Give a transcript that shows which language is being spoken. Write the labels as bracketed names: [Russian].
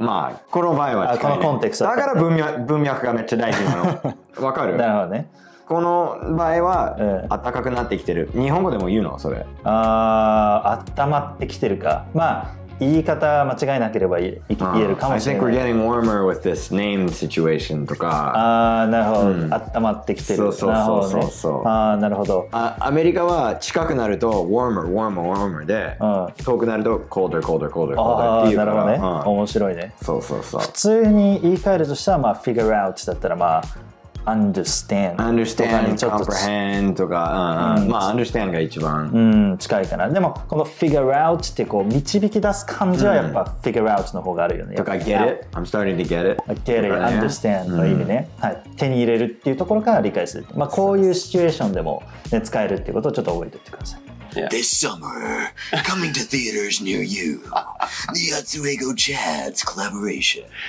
[Japanese] まあこの場合は近い、ね、このコンテクストだから文脈がめっちゃ大事なの。わかる？なるほどね。この場合は暖かくなってきてる、日本語でも言うのそれ。あったまってきてるか、まあ言い方間違いなければ言えるかもしれない。 [English] I think we're getting warmer with this name situation [Japanese] とか。あーなるほど、あったまってきてる。そう、ね、あーなるほど。アメリカは近くなると warmer で、遠くなると colder っていうから。なるほどね、面白いね。そう普通に言い換えるとしたら、まあ、figure out だったらまあ Understand とか comprehend とか、まあ understand が一番、近いかな。でもこの figure out ってこう導き出す感じはやっぱ figure out の方があるよね。とか [English] get it、I'm starting to get it、 [Japanese] get it、understand の意味ね、はい、手に入れるっていうところから理解する。まあこういうシチュエーションでも、ね、使えるっていうことをちょっと覚えておいてください。 [English] Yeah. This summer, coming to theaters near you, the Atsu Eiko Chad's collaboration.